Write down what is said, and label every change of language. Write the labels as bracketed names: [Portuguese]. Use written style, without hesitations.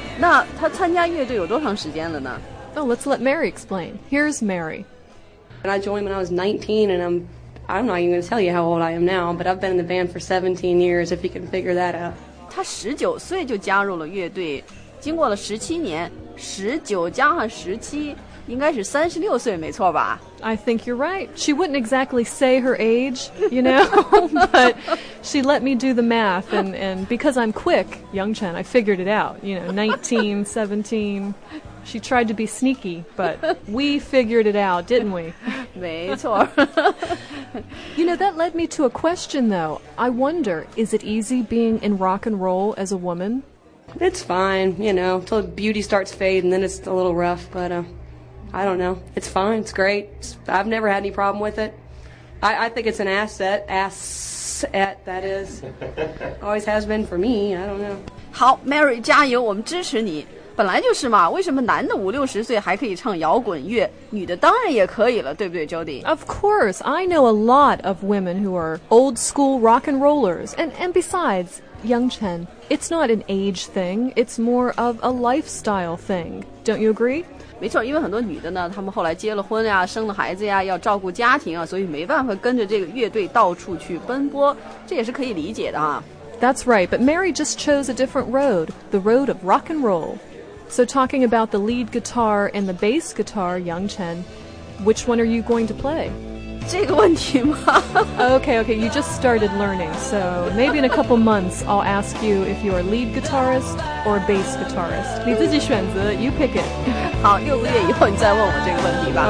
[Chinese] 那她参加乐队有多长时间了呢？ [English] Oh, let's let Mary explain. Here's Mary. And I joined when I was 19, and I'm not even going to tell you how old I am now, but I've been in the band for 17 years, if you can figure that out. [Chinese] 她19岁就加入了乐队，经过了17年，19加上17，应该是36岁，没错吧？ [English] I think you're right. She wouldn't exactly say her age, you know, but she let me do the math, and because I'm quick, Yang Chen, I figured it out, you know, 19, 17... She tried to be sneaky, but we figured it out, didn't we? [Chinese] 没错。 [English] You know, that led me to a question, though. I wonder, is it easy being in rock and roll as a woman? It's fine, you know, until beauty starts fading, then it's a little rough, but I don't know. It's fine, it's great. I've never had any problem with it. I think it's an asset. Asset, that is. Always has been for me, I don't know. [Chinese] 好 ,Mary, 加油,我们支持你。本来就是嘛，为什么男的五六十岁还可以唱摇滚乐，女的当然也可以了，对不对 ，Jody？ [English] Of course, I know a lot of women who are old school rock and rollers. And besides, Yang Chen, it's not an age thing. It's more of a lifestyle thing. Don't you agree? [Chinese] 没错，因为很多女的呢，她们后来结了婚呀，生了孩子呀，要照顾家庭啊，所以没办法跟着这个乐队到处去奔波，这也是可以理解的啊。 [English] That's right, but Mary just chose a different road, the road of rock and roll. So talking about the lead guitar and the bass guitar, Yang Chen, which one are you going to play? [Chinese] 这个问题吗? [English] Okay, you just started learning, so maybe in a couple months I'll ask you if you are lead guitarist or bass guitarist. [Chinese] 你自己选择, [English] you pick it. [Chinese] 好,六个月以后你再问我这个问题吧。